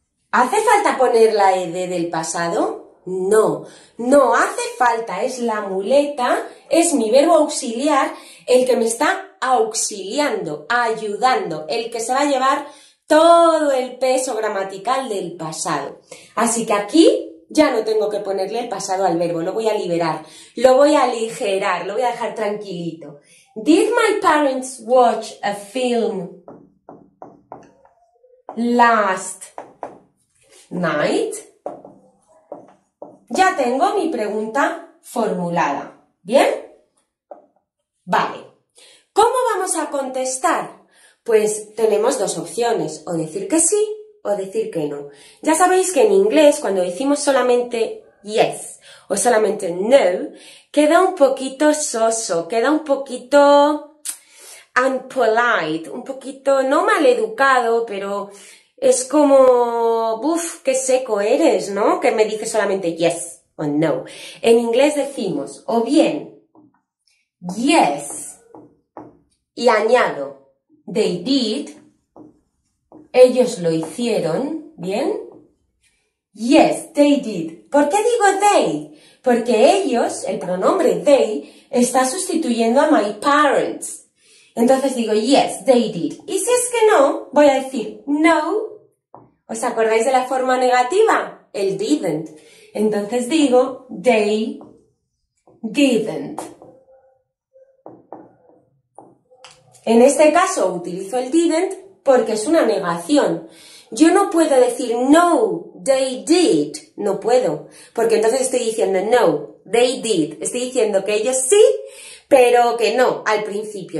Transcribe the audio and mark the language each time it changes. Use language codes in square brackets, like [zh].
[es] ¿Hace falta poner la ed del pasado? No, no hace falta, es la muleta, es mi verbo auxiliar, el que me está auxiliando, ayudando, el que se va a llevar todo el peso gramatical del pasado. Así que aquí ya no tengo que ponerle el pasado al verbo, lo voy a liberar, lo voy a aligerar, lo voy a dejar tranquilito. [en] Did my parents watch a film last night? [es] Ya tengo mi pregunta formulada. ¿Bien? Vale. ¿Cómo vamos a contestar? Pues tenemos dos opciones, o decir que sí o decir que no. Ya sabéis que en inglés cuando decimos solamente yes o solamente no, queda un poquito soso, queda un poquito unpolite, un poquito no maleducado, pero es como, buf, qué seco eres, ¿no? Que me dice solamente yes o no. En inglés decimos, o bien, yes, y añado, [en] they did, [es] ellos lo hicieron, ¿bien? [en] Yes, they did. [es] ¿Por qué digo they? Porque ellos, el pronombre they, está sustituyendo a my parents. Entonces digo, [en] yes, they did. [es] Y si es que no, voy a decir, no. ¿Os acordáis de la forma negativa? El didn't. Entonces digo, [en] they didn't. [es] En este caso utilizo el didn't porque es una negación. Yo no puedo decir, [en] no, they did. [es] No puedo. Porque entonces estoy diciendo, [en] no, they did. [es] Estoy diciendo que ellos sí, pero que no, al principio.